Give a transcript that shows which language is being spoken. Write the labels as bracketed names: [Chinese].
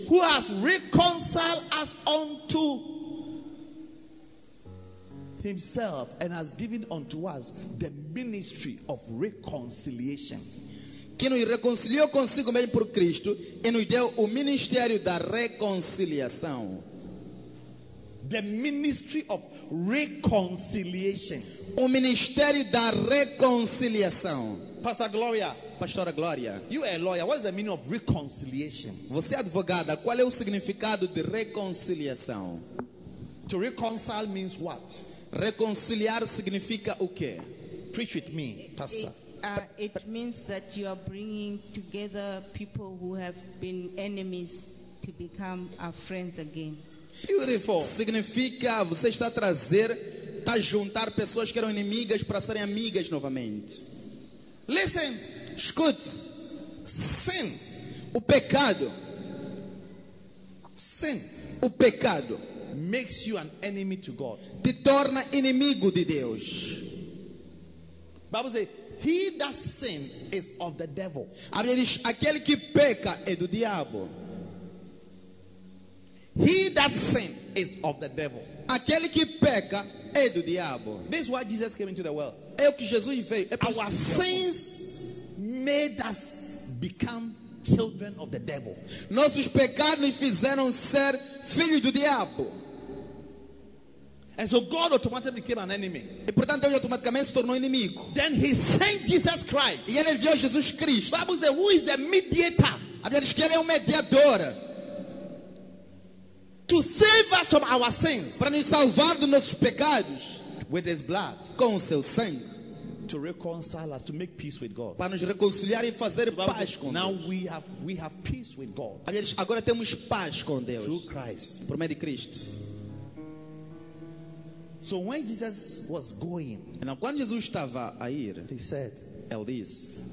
[English] Who has reconciled us unto himself and has given unto us the ministry of reconciliation. [Portuguese] Que nos reconciliou consigo mesmo por Cristo e nos deu o ministério da reconciliação. [English] The ministry of reconciliation. [Portuguese] O ministério da reconciliação. [English] Pastor Gloria. [Portuguese] Pastora Gloria. [English] You are a lawyer. What is the meaning of reconciliation? [Portuguese] Você é advogada. Qual é o significado de reconciliação? [English] To reconcile means what? [Portuguese] Reconciliar significa o quê? [English] Preach with me, Pastor. It means that you are bringing together people who have been enemies to become our friends again. Beautiful. [Portuguese] Significa você está a trazer, está a juntar pessoas que eram inimigas para serem amigas novamente. [English] Listen. [Portuguese] Escute. [English] Sin. [Portuguese] O pecado. [English] Sin. [Portuguese] O pecado. [English] Makes you an enemy to God. [Portuguese] Te torna inimigo de Deus. [English] Bible says, he that sin is of the devil. [Portuguese] A Bíblia diz, aquele que peca é do diabo. [English] He that sin is of the devil. [Portuguese] Aquele que peca é do diabo. [English] This is why Jesus came into the world. [Portuguese] É o que Jesus veio. É [English] our sins made us become children of the devil. [Portuguese] Nossos pecados nos fizeram ser filhos do diabo. [English] And so God automatically became an enemy. [Portuguese] E portanto Deus automaticamente se tornou inimigo. [English] Then he sent Jesus Christ. [Portuguese] E ele enviou Jesus Cristo. [English] The Bible says, who is the mediator? [Portuguese] A Bíblia diz que ele é o mediador. [English] To save us from our sins. [Portuguese] Para nos salvar dos nossos pecados. [English] With his blood. [Portuguese] Com o seu sangue. [English] To reconcile us, to make peace with God. [Portuguese] Para nos reconciliar e fazer paz com Deus. [English] Now we have peace with God. [Portuguese] A Bíblia diz, agora temos paz com Deus. [English] Through Christ. [Portuguese] Por meio de Cristo. [English] So when Jesus was going, [Portuguese] and quando Jesus estava a ir, [English] he said, Eldis,